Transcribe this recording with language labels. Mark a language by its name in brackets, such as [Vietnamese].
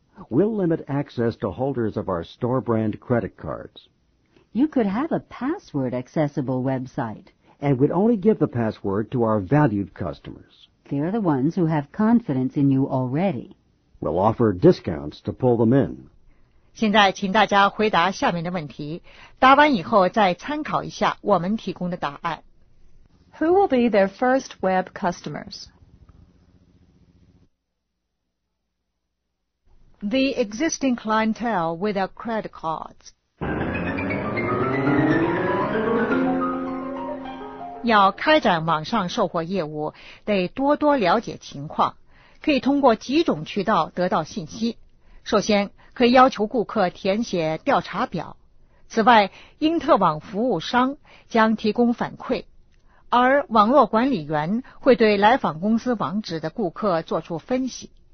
[English] We'll limit access to holders of our store brand credit cards. You could have a password accessible website. And we'd only give the password to our valued customers. They're the ones who have confidence in you already. We'll offer discounts to pull them in. [Chinese] 现在请大家回答下面的问题，答完以后再参考一下我们提供的答案。 [English] Who will be their first web customers? The existing clientele with their credit cards. [Chinese] 要开展网上售货业务，得多多了解情况，可以通过几种渠道得到信息。首先，可以要求顾客填写调查表。此外，因特网服务商将提供反馈，而网络管理员会对来访公司网址的顾客做出分析。